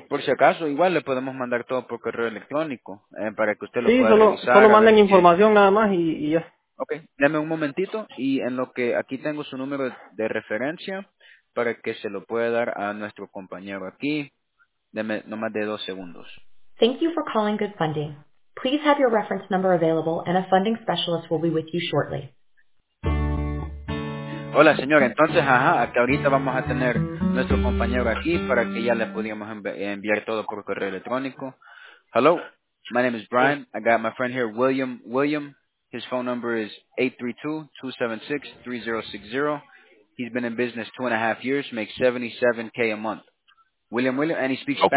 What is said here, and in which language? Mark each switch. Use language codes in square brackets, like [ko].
[es] Por si acaso, igual le podemos mandar todo por correo electrónico para que usted lo sí, pueda solo, revisar. Sí, solo manden información nada más y ya. Ok, dame un momentito y en lo que aquí tengo su número de referencia para que se lo pueda dar a nuestro compañero aquí. Deme no más de dos segundos. [en] Thank you for calling Good Funding. Please have your reference number available and a funding specialist will be with you shortly. [es] Hola, señora. Entonces, ajá, que ahorita vamos a tener nuestro compañero aquí para que ya le podíamos enviar todo por correo electrónico. [en] Hello, my name is Brian. I got my friend here, William. William, his phone number is 832-276-3060. He's been in business 2.5 years, makes $77,000 a month. William, and he speaks okay.